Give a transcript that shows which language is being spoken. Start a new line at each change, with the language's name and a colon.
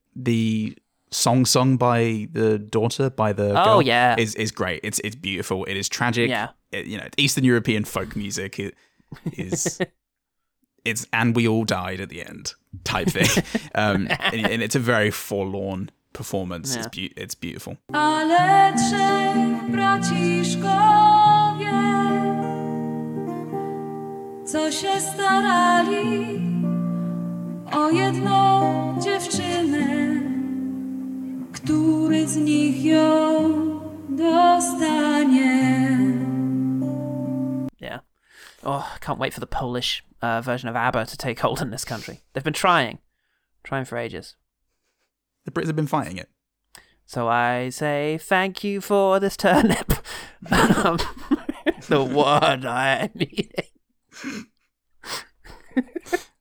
English: The song sung by the daughter, by the girl, is great. It's beautiful. It is tragic. Yeah. Eastern European folk music. It is... It's "and we all died at the end" type thing. and it's a very forlorn performance. Yeah. It's beautiful.
Polish: Ale trzej braciszkowie, co się starali o jedną dziewczynę, który z nich ją dostanie.
English: Oh, I can't wait for the Polish version of ABBA to take hold in this country. They've been trying for ages. The Brits have been fighting it. So I say thank you for this turnip. The word I need.